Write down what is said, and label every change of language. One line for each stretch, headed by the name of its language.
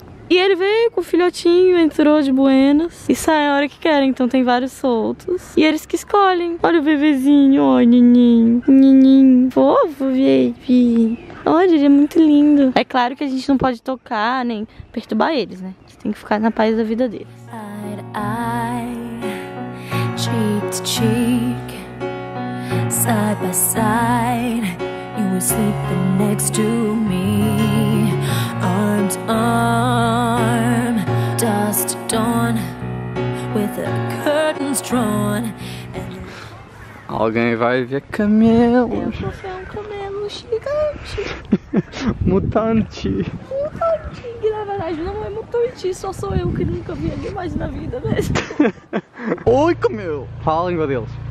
Portuguese: E ele veio com o filhotinho, entrou de buenas e sai na hora que querem. Então tem vários soltos. E eles que escolhem. Olha o bebezinho, ó, nininho. Nininho. Fofo, baby. Olha, ele é muito lindo. É claro que a gente não pode tocar nem perturbar eles, né? Tem que ficar na paz da vida deles.
English: I, cheek to cheek, side by side, you were sleeping next to me, arm to arm, dust to dawn, with the curtains drawn.
Portuguese: Alguém vai ver camelo. Eu vou ver um camelo gigante. Mutante. Mutante, que na verdade não é mutante, só sou eu que nunca vi ali mais na vida mesmo. Oi, camelo. Fala a língua deles.